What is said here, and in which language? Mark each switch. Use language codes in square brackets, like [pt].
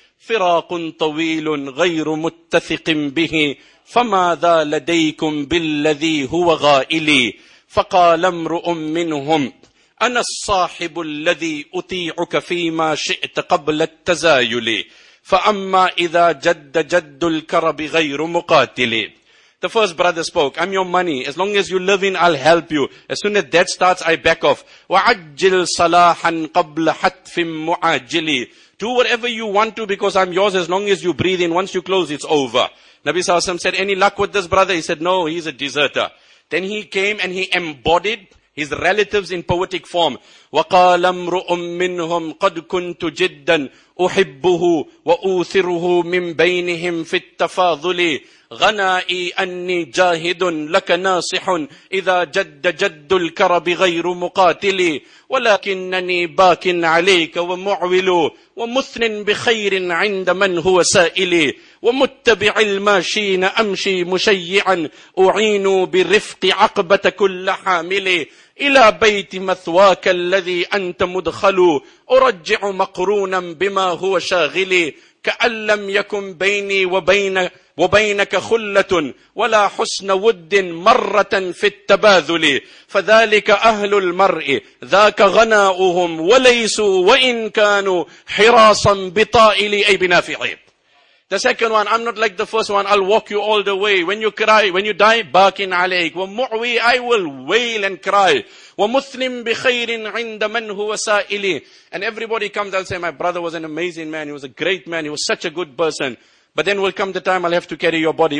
[ar] فراق طويل غير متثق به فماذا لديكم بالذي هو غائلي فقال امرؤ منهم انا الصاحب الذي اطيعك فيما شئت قبل التزايل فاما اذا جد جد الكرب غير مقاتل. [en] The first brother spoke, I'm your money. As long as you're living, I'll help you. As soon as that starts, I back off. [ar] وعجل صلاحا قبل حتف معاجلي. [en] Do whatever you want to because I'm yours as long as you breathe in. Once you close, it's over. Nabi Sallallahu Alaihi Wasallam said, any luck with this brother? He said, no, he's a deserter. Then he came and he embodied his relatives in poetic form. [ar] وَقَالَ امْرُؤٌ مِّنْهُمْ قَدْ كُنْتُ جِدًّا أُحِبُّهُ وَأُوثِرُهُ مِنْ بَيْنِهِمْ فِي التَّفَاضُلِ غَنَائِي أَنِّي جَاهِدٌ لَكَ نَاصِحٌ إِذَا جَدَّ جَدُّ الْكَرَبِ غَيْرُ مُقَاتِلِي وَلَكِنَّنِي بَاكٍ عَلَيْكَ وَمُعْوِلُ وَمُثْنٍ بِخَيْرٍ عِنْدَ مَنْ هُوَ سَائِلِي وَمُتَّبِعِ الْمَاشِينَ أَمْشِي مُشَيِّعًا أُعِينُ بِرِفْقِ عَقْبَةَ كُلَّ حَامِلِي إلى بيت مثواك الذي أنت مدخل أرجع مقرونا بما هو شاغلي كأن لم يكن بيني وبينك خلة ولا حسن ود مرة في التباذل فذلك أهل المرء ذاك غناؤهم وليسوا وإن كانوا حراسا بطائلي أي بنافعي. [en] The second one, I'm not like the first one. I'll walk you all the way. When you cry, when you die, [ar] barkin alaik. Wa mu'wi, [en] I will wail and cry. [ar] Wa muslim bi khairin inda man huwa sa'ili. [en] And everybody comes, I'll say, my brother was an amazing man. He was a great man. He was such a good person. But then will come the time I'll have to carry your body.